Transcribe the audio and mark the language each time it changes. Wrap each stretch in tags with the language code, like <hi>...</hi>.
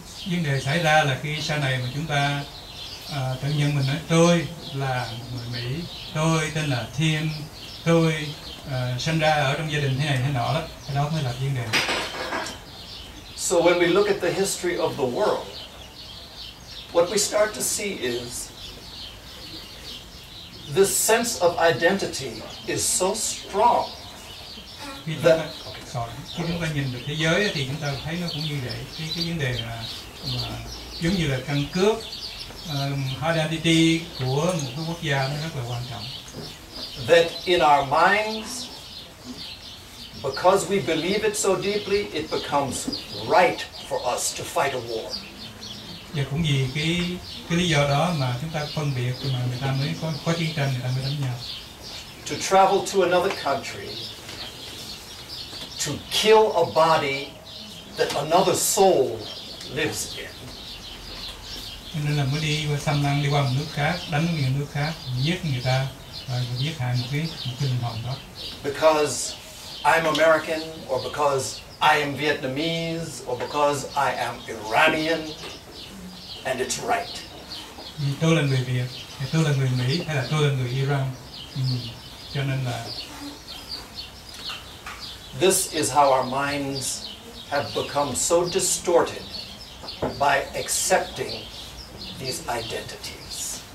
<vi>Vấn đề xảy ra là khi sau này mà chúng ta tự nhận mình nói tôi là người Mỹ, tôi tên là Thiên, tôi sinh ra ở trong gia đình thế này thế nọ đó, cái đó mới là vấn đề.</vi> <en>So when we look at the history of the world, what we start to see is this sense of identity is so strong.</en> <vi>Khi chúng ta nhìn được thế giới thì chúng ta thấy nó cũng như vậy, cái vấn đề là mà giống như là căn cước identity của một cái quốc gia nó rất là quan trọng.</vi> <en>That in our minds, because we believe it so deeply, it becomes right for us to fight a war.</en> <vi>Và cũng vì cái lý do đó mà chúng ta phân biệt, mà người ta mới có chiến tranh, người ta mới đánh nhau.</vi> <en>To travel to another country, to kill a body that another soul lives in.</en> <vi>Nên là mới đi qua xâm lăng, đi qua một nước khác, đánh người nước khác, giết người ta và giết hại một cái linh hồn đó.</vi> <en>Because I'm American, or because I am Vietnamese, or because I am Iranian, and it's right.</en> <vi>Tôi là người Việt, hay tôi là người Mỹ, hay là tôi là người Iran, cho nên là</vi> <en>this is how our minds have become so distorted by accepting these identities.</en>